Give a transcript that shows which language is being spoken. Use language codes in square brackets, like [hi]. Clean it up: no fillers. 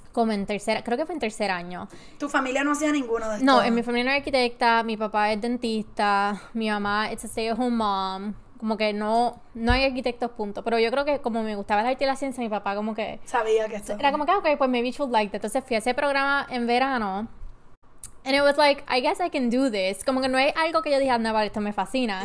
[es] Como en tercer, creo que fue en tercer año. ¿Tu familia no hacía ninguno de estos? No, en mi familia no era arquitecta, mi papá es dentista, mi mamá es [en] a stay-at-home mom. [es] Como que no hay arquitectos, punto. Pero yo creo que como me gustaba la arte y la ciencia, mi papá como que... Sabía que esto... Era como que, okay, pues [en] maybe she'll like it. [es] Entonces fui a ese programa en verano. [en] And it was like, I guess I can do this. [es] Como que no hay algo que yo dije, anda, vale, esto me fascina.